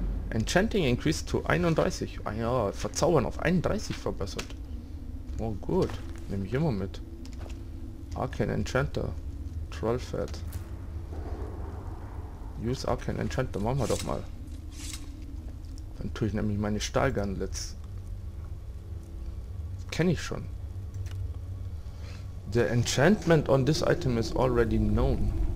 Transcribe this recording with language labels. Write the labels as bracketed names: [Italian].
[English] Enchanting increased to 31. [German] Ah ja, Verzaubern auf 31 verbessert. Oh gut, nehme ich immer mit. Arcane Enchanter. Trollfett. [English] Use Arcane Enchanter, [German] machen wir doch mal. Dann tue ich nämlich meine Stahlgauntlets. Kenne ich schon. [English] The enchantment on this item is already known.